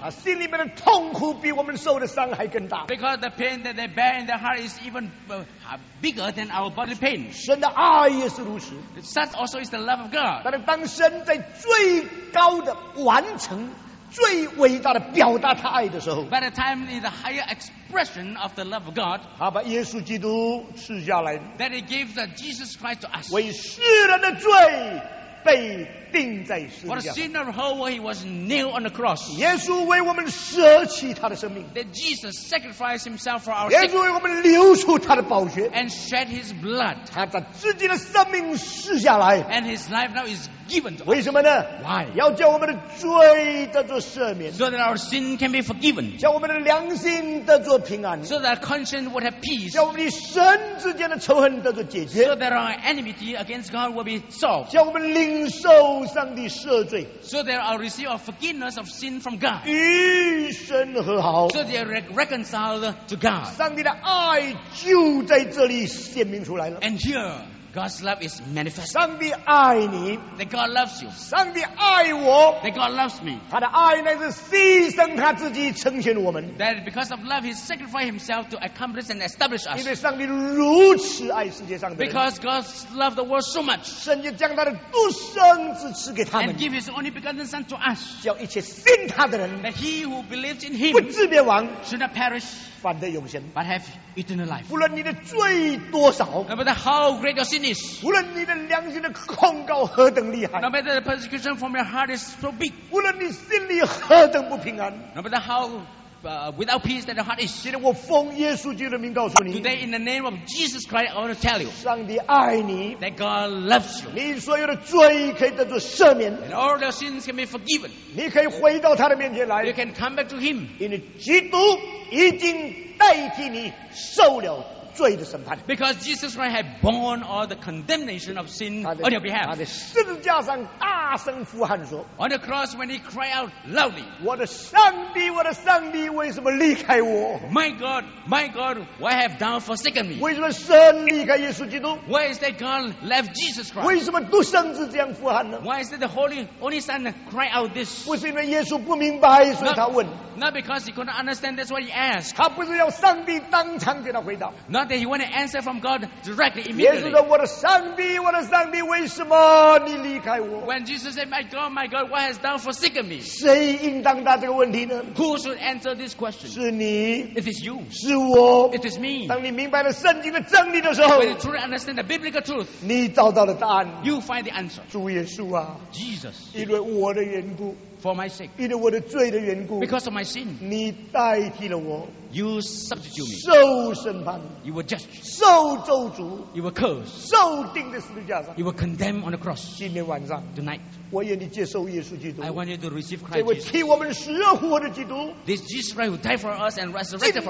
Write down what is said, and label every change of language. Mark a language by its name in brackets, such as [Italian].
[Chinese] 心里面的痛苦比我们受的伤害更大. [English] Because the pain that they bear in their heart is even bigger than our bodily pain. [Chinese] 神的爱也是如此. [English] Such also is the love of God. [Chinese] 但是当神在最高的 完成最伟大的表达他爱的时候, [English] by the time in the higher expression of the love of God, [Chinese] 他把耶稣基督赐下来, [English] that he gave the Jesus Christ to us, [Chinese] 为世人的罪被钉在世上, [English] for the sin of the whole world, he was nailed on the cross. [Chinese] 耶稣为我们舍弃他的生命, [English] that Jesus sacrificed himself for our sake, [Chinese] 耶稣为我们流出他的宝血, [English] and shed his blood, [Chinese] 他把自己的生命赐下来, [English] and his life now is given to us. [Chinese] 为什么呢? [English] Why? [Chinese] 要叫我们的罪得着赦免, [English] so that our sin can be forgiven. [Chinese] 叫我们的良心得着平安, [English] so that our conscience would have peace. [Chinese] 叫我们与神之间的仇恨得着解决, [English] so that our enmity against God will be solved. [Chinese] 叫我们领受上帝赦罪, [English] so that our receive our forgiveness of sin from God. [Chinese] 与神和好, [English] so that are reconciled to God. [Chinese] 上帝的爱就在这里显明出来了. [English] And here, God's love is manifest. [Chinese] 上帝爱你, [English] that God loves you. [Chinese] 上帝爱我, [English] that God loves me. [Chinese] 他的爱乃是牺牲他自己成全我们, [English] that because of love, he sacrificed himself to accomplish and establish us. [Chinese] 因为上帝如此爱世界上的人, [English] because God loved the world so much, [Chinese] 甚至将他的独生子赐给他们, [English] and give his only begotten son to us, [Chinese] 叫一切信他的人, [English] that he who believes in him, [Chinese] 不至灭亡, [English] should not perish, [Chinese] 反得永生, [English] but have eternal life. [Chinese] 不论你的罪多少, [English] no matter how great your sin is, [Chinese] 无论你的良心的控告何等厉害, [English] no matter the persecution from your heart is so big, [Chinese] 无论你心里何等不平安, [English] no matter how without peace that your heart is, [Chinese] 现在我奉耶稣基督的名告诉你, [English] today in the name of Jesus Christ, I want to tell you, [Chinese] 上帝爱你, [English] that God loves you, [Chinese] 你所有的罪可以得到赦免, [English] and all your sins can be forgiven, [Chinese] 你可以回到他的面前来, [English] you can come back to him, [Chinese] 因为基督 已经代替你受了罪的审判, [English] because Jesus Christ had borne all the condemnation of sin on your behalf. [Chinese] 他在十字架上大声呼喊说, [English] on the cross when he cried out loudly, [Chinese] 我的上帝, 我的上帝, 为什么离开我? [English] My God, why have thou forsaken me? [Chinese] 为什么神离开耶稣基督? [English] Why is that God left Jesus Christ? [Chinese] 为什么独生子这样呼喊呢? [English] Why is that the Holy Only Son cry out this? [Chinese] 不是因为耶稣不明白, 所以他问, [English] not because he couldn't understand, that's what he asked. [Chinese] 他不是要上帝当场给他回答, [English] not that he wanted to answer from God directly, immediately. [Chinese] 耶稣说, 我的上帝, 我的上帝, [English] when Jesus said, my God, why has thou forsaken me? [Chinese] 谁应当答这个问题呢? [English] Who should answer this question? [Chinese] 是你, [English] it is you. [Chinese] 是我, [English] it is me. [Chinese] 当你明白了圣经的真理的时候, [English] when you truly understand the biblical truth, [Chinese] 你找到了答案, [English] you find the answer. [Chinese] 主耶稣啊, [English] Jesus, [Chinese] 因为我的缘故, [English] For my sake. [Chinese] 因为我的罪的缘故。 [English] Because of my sin. [Chinese] 你代替了我。 [English] You substitute me. [Chinese] 受审判。 [English] You were judged. [Chinese] 受咒诅。 [English] You were cursed. [Chinese] 受钉在十字架上。 [English] You were condemned on the cross. [Chinese] 今天晚上。 [English] Tonight. [Chinese] 我愿你接受耶稣基督。 [English] I want you to receive Christ. [Chinese] 这位替我们死而复活的基督。 [English] This Jesus Christ who died for us and resurrected for us.